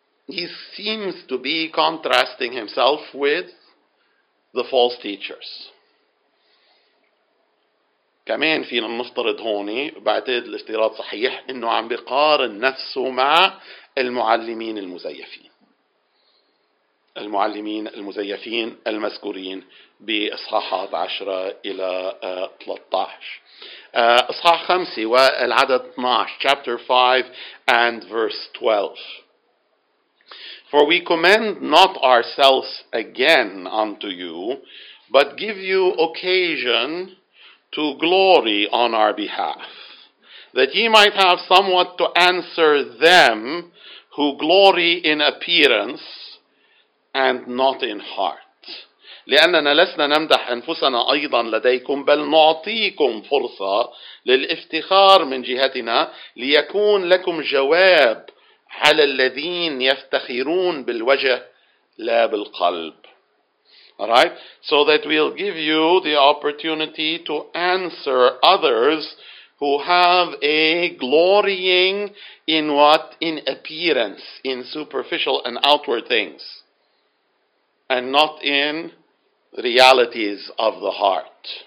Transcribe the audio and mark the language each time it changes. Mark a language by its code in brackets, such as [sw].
[en] He seems to be contrasting himself with the false teachers. [ar] كمان فينا نفترض هوني بعتقد الاستيراد صحيح انه عم بيقارن نفسه مع المعلمين المزيفين. المعلمين المزيفين المذكورين بإصحاحات 10 إلى 13. إصحاح 5 والعدد 12. [en] Chapter 5 and verse 12. For we commend not ourselves again unto you, but give you occasion to glory on our behalf, that ye might have somewhat to answer them who glory in appearance and not in heart. [ar] لأننا لسنا نمدح أنفسنا أيضا لديكم بل نعطيكم فرصة للافتخار من جهتنا ليكون لكم جواب على الذين يفتخرون بالوجه لا بالقلب. [en] All right, so that we'll give you the opportunity to answer others who have a glorying in what? In appearance, in superficial and outward things, and not in realities of the heart.